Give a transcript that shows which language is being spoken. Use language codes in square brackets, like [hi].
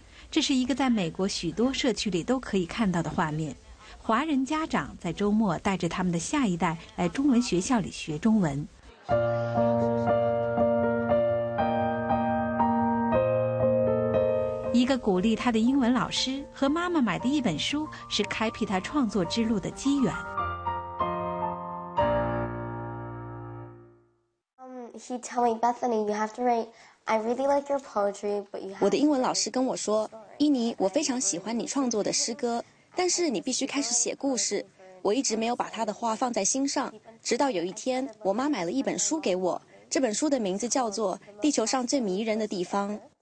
[zh] 这是一个在美国许多社区里都可以看到的画面，华人家长在周末带着他们的下一代来中文学校里学中文。一个鼓励他的英文老师和妈妈买的一本书是开辟他创作之路的机缘。 [en] He told me, Bethany, you have to write. I really like your poetry, but you. [zh] 我的英文老师跟我说，伊妮，我非常喜欢你创作的诗歌，但是你必须开始写故事。我一直没有把他的话放在心上，直到有一天，我妈买了一本书给我。这本书的名字叫做《地球上最迷人的地方》。